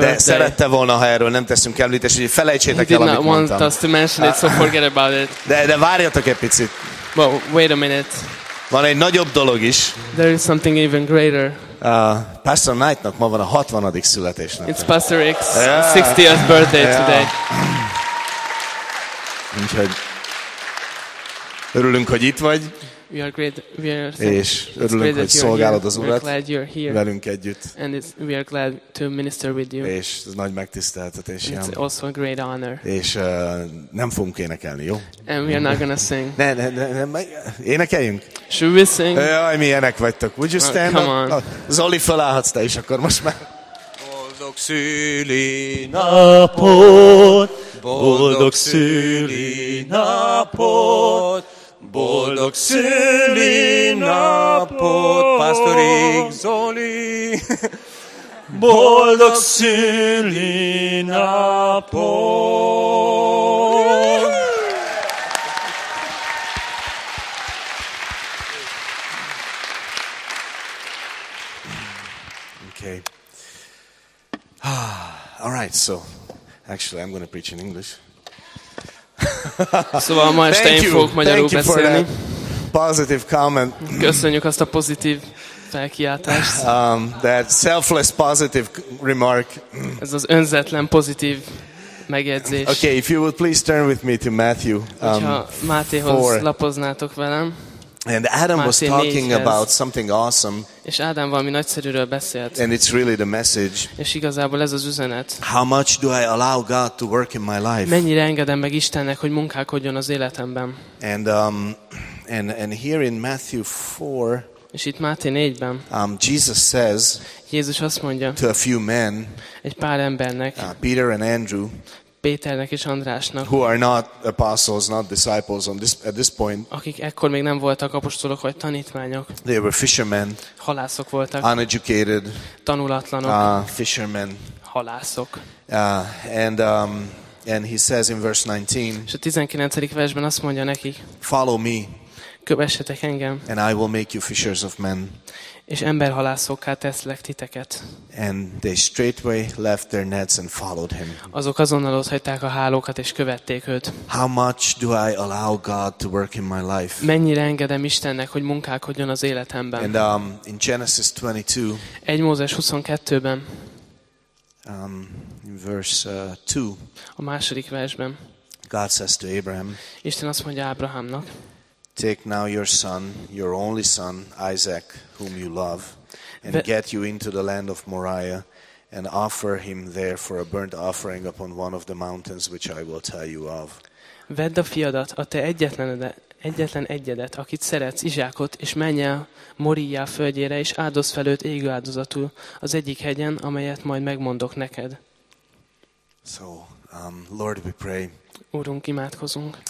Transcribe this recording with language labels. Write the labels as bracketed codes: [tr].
[hu] De szerette volna, ha erről nem teszünk említést, hogy felejtsétek el, amit mondtam. [en] He did not want us to mention it, so forget about it. [hu] De várjatok egy picit. [en] Well, wait a minute. [hu] Van egy nagyobb dolog is. [en] There is something even greater. [hu] Pastor Knight-nak ma van a 60. születésnapja. [en] It's Pastor X's 60th birthday today. [hu] Úgyhogy örülünk, hogy itt vagy. [en] We are great. We are. [hu] És örülünk, hogy szolgálod az Urat velünk együtt. [en] And it's, we are glad to minister with you. [hu] És ez nagy megtiszteltetés. [en] It's also a great honor. [hu] És nem fogunk énekelni, jó? [en] And we are not gonna sing. [hu] Ne, énekeljünk. [en] Should we sing? [hu] Jaj, milyenek vagytok. [en] Would you stand come up? On. [hu] Zoli, felállhatsz te is akkor most már. Boldog szüli napot, boldog szüli napot, boldog szülinapot, Pastor X, Zoli! Boldog szüli napot. [en] Okay. All right, so actually I'm going to preach in English. [hu] Szóval ma este én fogok magyarul beszélni. [en] Positive comment. [hu] Köszönjük azt a pozitív felkiáltást. [en] That selfless positive remark. [hu] Ez az önzetlen pozitív megjegyzés. [en] Okay, if you would please turn with me to Matthew. [hu] Hogyha Mátéhoz lapoznátok velem. [en] And Adam was talking about something awesome. [hu] És Ádám valami nagyszerűről beszélt. [en] And it's really the message. [hu] És igazából ez az üzenet. [en] How much do I allow God to work in my life? [hu] Mennyire engedem meg Istennek, hogy munkálkodjon az életemben? [en] And here in Matthew 4, [hu] és itt Máté 4-ben, [en] Jesus says, [hu] Jézus azt mondja, [en] to a few men, [hu] egy pár embernek, [en] Peter and Andrew, [hu] Péternek és Andrásnak, [en] who are not apostles, not disciples at this point, [hu] akik ekkor még nem voltak apostolok vagy tanítványok, [en] they were fishermen, [hu] halászok voltak, [en] uneducated, [hu] tanulatlanok, [en] fishermen, [hu] halászok, [en] and he says in verse 19, [hu] és a 19. versben azt mondja nekik, [en] follow me, [hu] kövessetek engem, [en] and I will make you fishers of men, [hu] és emberhalászokká teszlek titeket. [en] And they straightway left their nets and followed him. [hu] Azok azonnal ott hagyták a hálókat és követték őt. [en] How much do I allow God to work in my life? [hu] Mennyire engedem Istennek, hogy munkálkodjon az életemben? [en] And in Genesis 22. [hu] 1 Mózes 22-ben. [en] In verse 2. [hu] A második versben. [en] God says to Abraham. [hu] Isten azt mondja Ábrahámnak. [en] Take now your son, your only son, Isaac, whom you love, and get you into the land of Moriah, and offer him there for a burnt offering upon one of the mountains which I will tell you of. [hu] Vedd a fiadat, a te egyetlen egyedet, akit szeretsz, Izsákot, és menj el Moriah földjére, és áldozz fel őt égő áldozatul az egyik hegyen, amelyet majd megmondok neked. [en] So, Lord, we pray. [hu] Úrunk, imádkozunk.